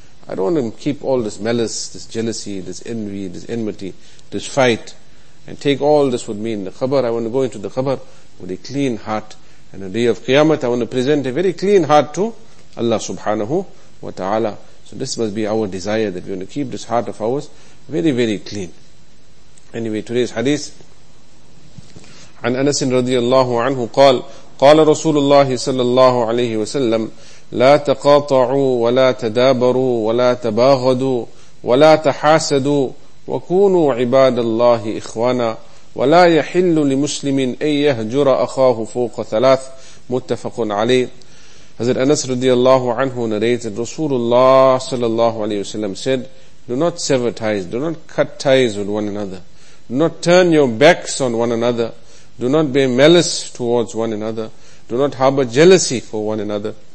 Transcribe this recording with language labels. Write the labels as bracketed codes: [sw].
[en] I don't want to keep all this malice, this jealousy, this envy, this enmity, this fight, and take all this with me in the khabar. I want to go into the khabar with a clean heart. And on the day of Qiyamah, I want to present a very clean heart to Allah subhanahu wa ta'ala. So this must be our desire, that we want to keep this heart of ours very, very clean. Anyway, today's hadith, [ar] عن أنس رضي الله عنه قال, قال رسول الله صلى الله عليه وسلم لا تقاطعوا ولا تدابروا ولا تباغضوا ولا تحاسدوا وكونوا عباد الله إخوانا ولا يحل لمسلم أن يهجر أخاه فوق 3. متفق عليه. [en] Hazrat Anas radiallahu anhu narrated, Rasulullah sallallahu alayhi wa sallam said, do not sever ties, do not cut ties with one another, do not turn your backs on one another, do not bear malice towards one another, do not harbor jealousy for one another.